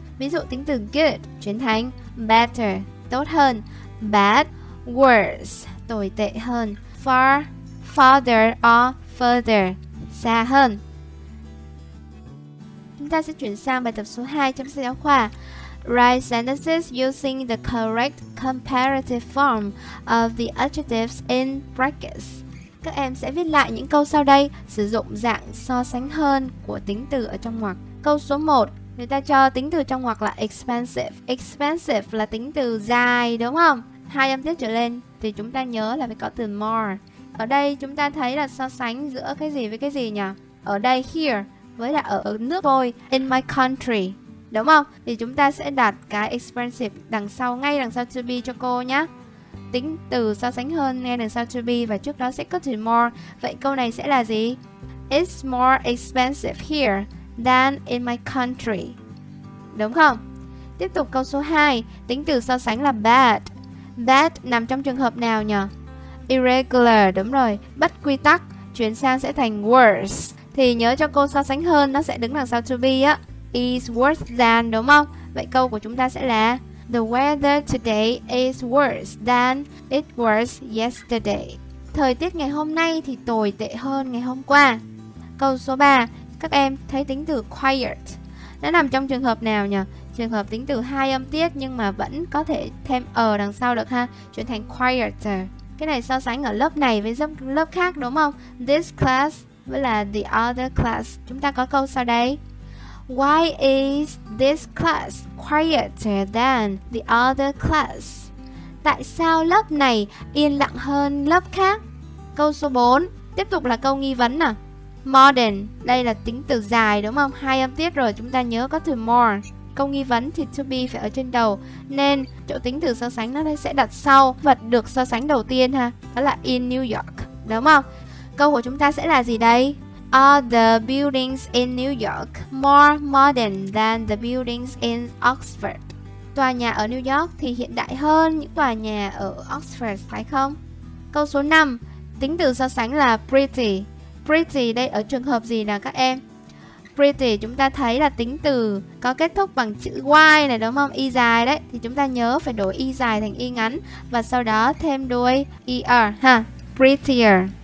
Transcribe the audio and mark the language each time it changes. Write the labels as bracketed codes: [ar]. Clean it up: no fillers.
[vi] Ví dụ tính từ good chuyển thành better, tốt hơn. [en] Bad, worse, [vi] tồi tệ hơn. [en] Far, farther or further, [vi] xa hơn. Chúng ta sẽ chuyển sang bài tập số 2 trong sách giáo khoa. [en] Write sentences using the correct comparative form of the adjectives in brackets. [vi] Các em sẽ viết lại những câu sau đây sử dụng dạng so sánh hơn của tính từ ở trong ngoặc. Câu số 1, người ta cho tính từ trong ngoặc là expensive. Expensive là tính từ dài đúng không? Hai âm tiết trở lên thì chúng ta nhớ là phải có từ more. Ở đây chúng ta thấy là so sánh giữa cái gì với cái gì nhỉ? Ở đây here với là ở nước tôi, [en] in my country. [vi] đúng không? Thì chúng ta sẽ đặt cái expensive đằng sau, ngay đằng sau to be cho cô nhé. Tính từ so sánh hơn ngay đằng sau to be, và trước đó sẽ có to more. Vậy câu này sẽ là gì? [en] It's more expensive here than in my country. [vi] Đúng không? Tiếp tục câu số 2. Tính từ so sánh là bad. Bad nằm trong trường hợp nào nhỉ? Irregular, đúng rồi. Bất quy tắc, chuyển sang sẽ thành worse. Thì nhớ cho cô so sánh hơn, nó sẽ đứng đằng sau to be á. [en] Is worse than, [vi] đúng không? Vậy câu của chúng ta sẽ là [en] the weather today is worse than it was yesterday. [vi] Thời tiết ngày hôm nay thì tồi tệ hơn ngày hôm qua. Câu số 3. Các em thấy tính từ quiet nó nằm trong trường hợp nào nhỉ? Trường hợp tính từ hai âm tiết nhưng mà vẫn có thể thêm ở đằng sau được ha, chuyển thành quieter. Cái này so sánh ở lớp này với lớp khác đúng không? This class với là [en] the other class. [vi] Chúng ta có câu sau đây. [en] Why is this class quieter than the other class? [vi] Tại sao lớp này yên lặng hơn lớp khác? Câu số 4. Tiếp tục là câu nghi vấn nào. Modern, đây là tính từ dài đúng không? Hai âm tiết rồi, chúng ta nhớ có từ more. Câu nghi vấn thì to be phải ở trên đầu, nên chỗ tính từ so sánh nó sẽ đặt sau vật được so sánh đầu tiên ha. Đó là in New York, đúng không? Câu của chúng ta sẽ là gì đây? [en] Are the buildings in New York more modern than the buildings in Oxford? [vi] Tòa nhà ở New York thì hiện đại hơn những tòa nhà ở Oxford, phải không? Câu số 5. Tính từ so sánh là pretty. Pretty đây ở trường hợp gì nào các em? Pretty chúng ta thấy là tính từ có kết thúc bằng chữ y này đúng không? Y dài đấy, thì chúng ta nhớ phải đổi y dài thành y ngắn và sau đó thêm đuôi er ha. Prettier.